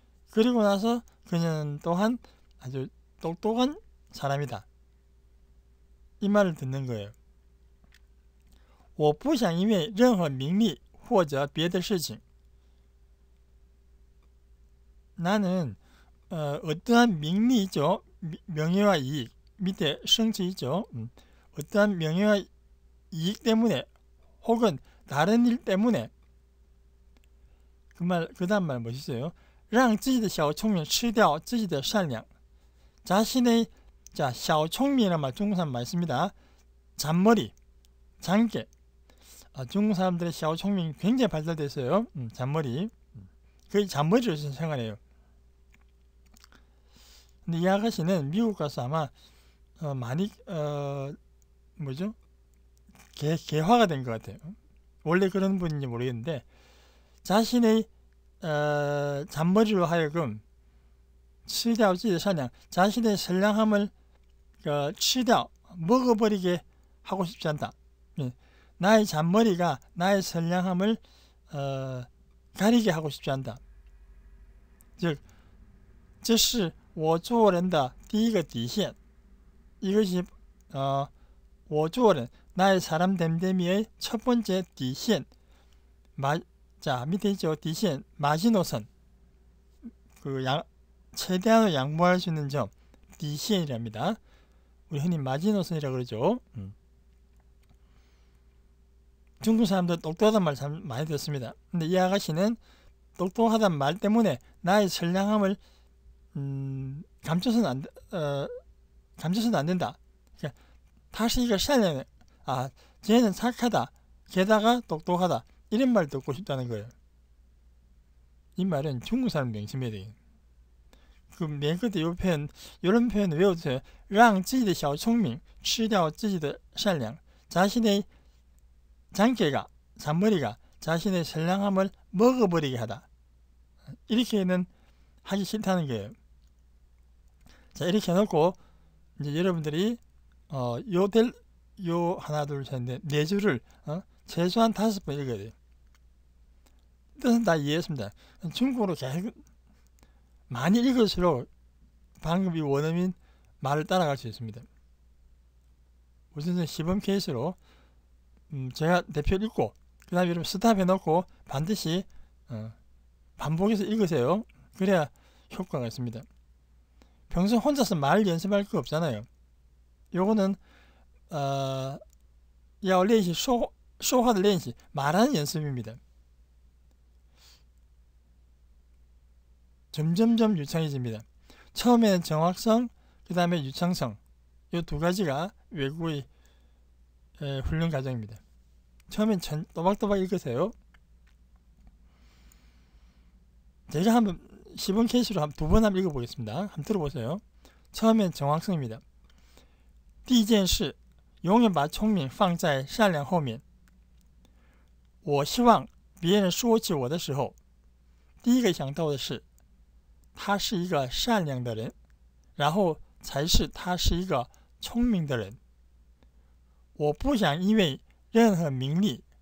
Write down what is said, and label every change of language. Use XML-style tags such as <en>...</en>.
<ko>그리고 나서 그녀는 또한 아주 똑똑한 사람이다. 이 말을 듣는 거예요.</ko> <zh>我不想因为任何名利或者别的事情.</zh> <ko>나는 어떠한 名利죠, 명예와 이익 밑에 성취죠. 어떠한 명예와 이익 때문에 혹은 다른 일 때문에 그 다음 말 멋있어요.</ko> <zh>让自己的小聪明吃掉自己的善良.</zh> <ko>자신의 자 小聪明이란 말 중국사람 맞습니다. 잔머리, 장깨. 아, 중국 사람들의 샤오총밍 굉장히 발달됐어요. 잔머리. 거의 잔머리로서 생활해요. 근데 이 아가씨는 미국 가서 아마, 많이, 뭐죠? 개화가 된것 같아요. 원래 그런 분인지 모르겠는데, 자신의, 잔머리로 하여금, 치다오 찌의 사냥, 자신의 선량함을, 치다오, 먹어버리게 하고 싶지 않다. 나의 잔머리가 나의 선량함을 가리게 하고 싶지 않다. 즉,</ko> <zh>这是我做人的第一个底线.</zh> <ko>이것이</ko> <zh>我做人</zh> <ko>나의 사람 됨됨이의 첫 번째 底线. 자, 밑에 있죠. 底线 마지노선. 최대한으로 양보할 수 있는 점 底线이랍니다. 우리 흔히 마지노선이라고 그러죠. 중국 사람들 똑똑하단 말참 많이 듣습니다. 근데 이 아가씨는 똑똑하단 말 때문에 나의 선량함을 감춰서는 안 된다. 그러니까 쟤는 착하다. 게다가 똑똑하다. 이런 말 듣고 싶다는 거예요. 이 말은 중국 사람 명심해야 돼요. 그맨 끝에 이런 표현 외우세요.</ko> <zh>让自己的小聪明吃掉自己的善良.</zh> <ko>자신의 장깨가, 잔머리가 자신의 선량함을 먹어버리게 하다. 이렇게는 하기 싫다는 거예요. 자, 이렇게 해놓고, 이제 여러분들이, 요 하나, 둘, 셋, 넷, 네 줄을, 최소한 다섯 번 읽어야 돼요. 뜻은 다 이해했습니다. 중국어로 계속 많이 읽을수록 방금 이 원어민 말을 따라갈 수 있습니다. 우선은 시범 케이스로, 제가 대표 읽고, 그 다음에 여러분 스탑 해놓고, 반드시, 반복해서 읽으세요. 그래야 효과가 있습니다. 평소 혼자서 말 연습할 거 없잖아요. 요거는,</ko> <zh>要练习说话的练习，</zh> <ko>말하는 연습입니다. 점점점 유창해집니다. 처음에는 정확성, 그 다음에 유창성. 요두 가지가 외국의 훈련 과정입니다. 처음엔 또박또박 읽으세요. 제가 한번 시범 케이스로 두번 한번 읽어보겠습니다. 한번 들어보세요. 처음엔 정확성입니다.</ko> <zh>第一件事，永远把聪明放在善良后面。我希望别人说起我的时候，第一个想到的是，他是一个善良的人，然后才是他是一个聪明的人。我不想因为任何名利。</zh>